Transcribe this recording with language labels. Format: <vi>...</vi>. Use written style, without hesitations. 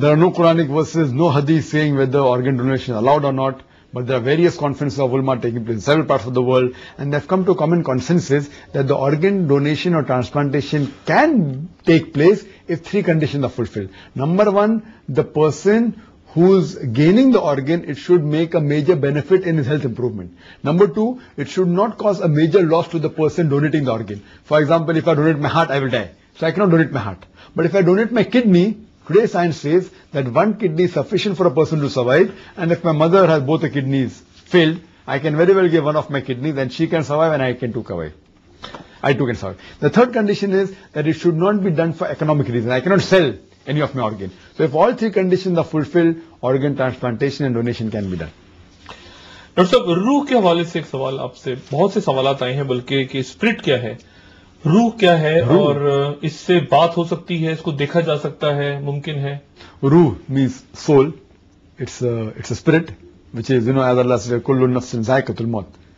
<en>There are no Quranic verses no hadith saying whether organ donation allowed or not but there are various conferences of ulama taking place several parts of the world and they have come to common consensus that the organ donation or transplantation can take place if three condition are fulfilled. Number one the person whose gaining the organ it should make a major benefit in his health improvement. Number two it should not cause a major loss to the person donating the organ. For example if I donate my heart I will die so I can not donate my heart. But if I donate my kidney, today science says that one kidney is sufficient for a person to survive. And if my mother has both the kidneys filled, I can very well give one of my kidneys and she can survive and I too can survive. The third condition is that it should not be done for economic reasons. I cannot sell any of my organ. So if all three conditions are fulfilled, organ transplantation and donation can be done. Dr.</en> <hi>Sir, रूह के हवाले से एक सवाल आपसे. बहुत से सवाल आते हैं बल्कि कि स्पिरिट क्या है, रूह क्या है और इससे बात हो सकती है, इसको देखा जा सकता है, मुमकिन है?</hi> <en>Ruh means soul. It's a spirit which is you know as Allah said</en> <ar>कुल्लु नफ्सिन ज़ाइकतुल मौत.</ar>